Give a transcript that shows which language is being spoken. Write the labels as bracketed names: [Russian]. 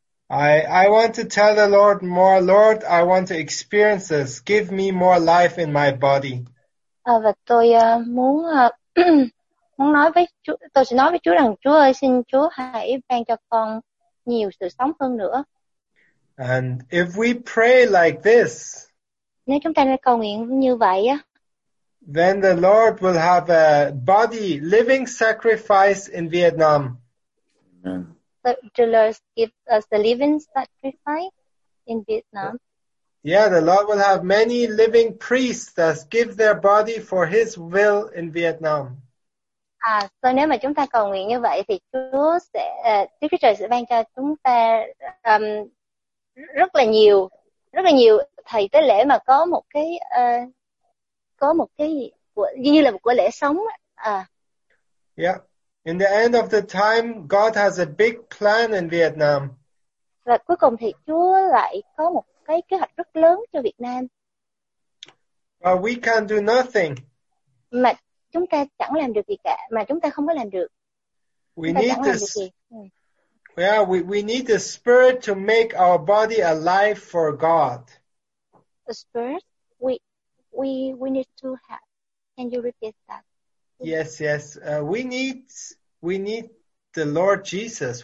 [English] I want to tell the Lord more, Lord, I want to experience this. Give me more life in my body. [Vietnamese] Và tôi muốn muốn nói với Chúa, tôi sẽ nói với Chúa rằng Chúa ơi, xin Chúa hãy ban cho con nhiều sự sống hơn nữa. [English] And if we pray like this, [Vietnamese] nếu chúng ta cầu nguyện như vậy á, [English] then the Lord will have a body living sacrifice in Vietnam. The Lord give us the living sacrifice in Vietnam. Yeah, the Lord will have many living priests that give their body for His will in Vietnam. [Vietnamese] À, so nếu mà chúng ta cầu nguyện như vậy thì Chúa sẽ, Đức Chúa Trời sẽ ban cho chúng ta rất là nhiều thầy tế lễ mà có một cái như là một của lễ sống. [English] Yeah, in the end of the time, God has a big plan in Vietnam. [Vietnamese] Và cuối cùng thì Chúa lại có một cái kế hoạch rất lớn cho Việt Nam. [English] But we can do nothing. [Vietnamese] Mà chúng ta chẳng làm được gì cả, mà chúng ta không có làm được. [English] We need this. Yeah, we need the Spirit to make our body alive for God. The Spirit? We need to have. Can you repeat that? Yes. We need the Lord Jesus.